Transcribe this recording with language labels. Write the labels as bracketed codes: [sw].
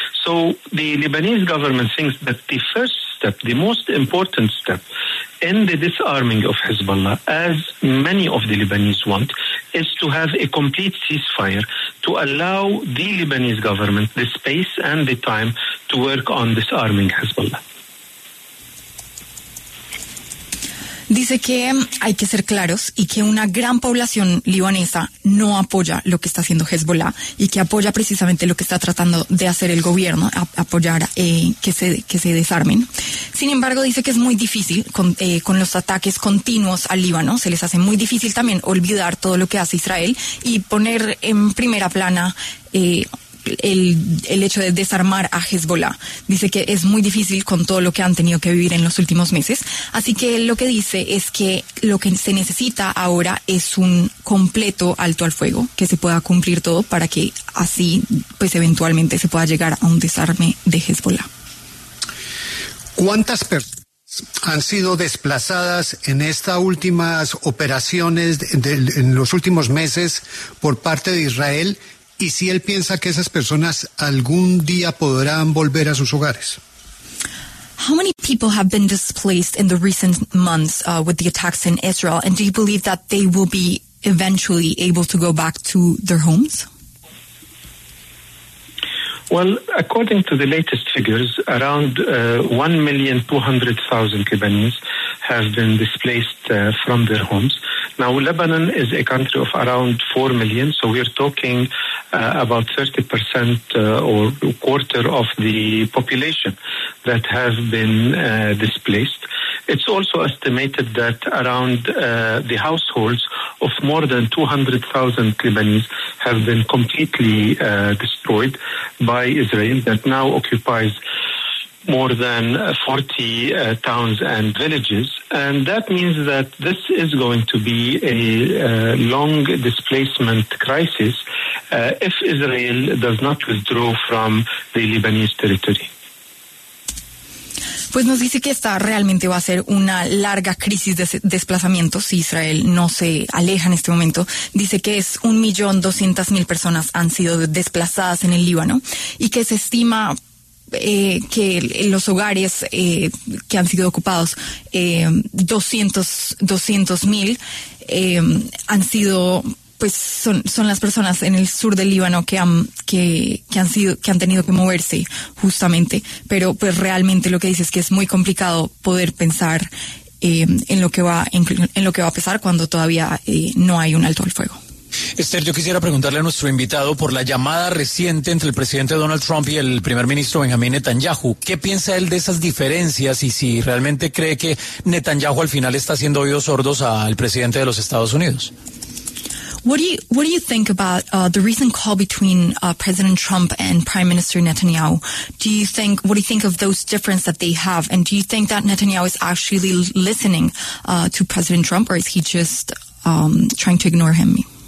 [en] So the Lebanese government thinks that the first step, the most important step in the disarming of Hezbollah, as many of the Lebanese want, is to have a complete ceasefire to allow the Lebanese government the space and the time to work on disarming Hezbollah. [es] Dice que hay que ser claros y que una gran población libanesa no apoya lo que está haciendo Hezbollah y que apoya precisamente lo que está tratando de hacer el gobierno, apoyar que se desarmen. Sin embargo, dice que es muy difícil con los ataques continuos al Líbano, se les hace muy difícil también olvidar todo lo que hace Israel y poner en primera plana el hecho de desarmar a Hezbollah. Dice que es muy difícil con todo lo que han tenido que vivir en los últimos meses. Así que lo que dice es que lo que se necesita ahora es un completo alto al fuego, que se pueda cumplir todo para que así, pues eventualmente se pueda llegar a un desarme de Hezbollah. ¿Cuántas personas han sido desplazadas en estas últimas operaciones en los últimos meses por parte de Israel? ¿Y si él piensa que esas personas algún día podrán volver a sus hogares? [en] How many people have been displaced in the recent months with the attacks in Israel, and do you believe that they will be eventually able to go back to their homes? Well, according to the latest figures, around 1,200,000 Lebanese have been displaced from their homes. Now, Lebanon is a country of around 4 million, so we're talking about 30% or a quarter of the population that have been displaced. It's also estimated that around the households of more than 200,000 Lebanese have been completely destroyed by Israel, that now occupies more than 40 towns and villages. And that means that this is going to be a long displacement crisis if Israel does not withdraw from the Lebanese territory. [es] Pues nos dice que esta realmente va a ser una larga crisis de desplazamiento si Israel no se aleja en este momento. Dice que es 1,200,000 personas han sido desplazadas en el Líbano y que se estima que los hogares que han sido ocupados, 200,000 han sido, pues son las personas en el sur del Líbano que han tenido que moverse justamente, pero pues realmente lo que dice es que es muy complicado poder pensar en lo que va a pasar cuando todavía no hay un alto al fuego. Esther, yo quisiera preguntarle a nuestro invitado por la llamada reciente entre el presidente Donald Trump y el primer ministro Benjamín Netanyahu. ¿Qué piensa él de esas diferencias y si realmente cree que Netanyahu al final está haciendo oídos sordos al presidente de los Estados Unidos? [en] What do you think about the recent call between President Trump and Prime Minister Netanyahu? What do you think of those differences that they have, and do you think that Netanyahu is actually listening to President Trump, or is he just trying to ignore him?